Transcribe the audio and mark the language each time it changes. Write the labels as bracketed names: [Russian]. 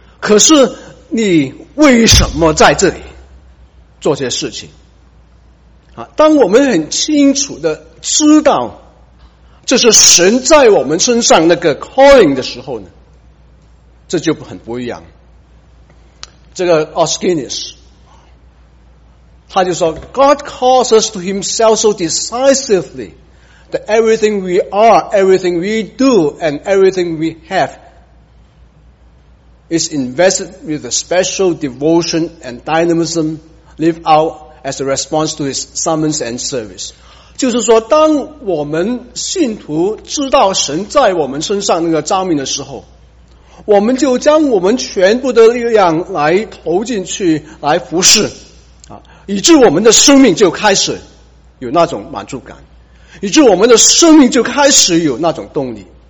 [Chinese] 可是你为什么在这里做些事情啊？当我们很清楚的知道这是神在我们身上那个 calling 的时候呢，这就很不一样。这个 Oskinis 他就说 [English] God calls us to himself so decisively that everything we are, everything we do and everything we have is invested with a special devotion and dynamism lived out as a response to his summons and service。 [Chinese] 就是说当我们信徒知道神在我们身上那个召命的时候，我们就将我们全部的力量来投进去来服侍，以致我们的生命就开始有那种满足感，以致我们的生命就开始有那种动力。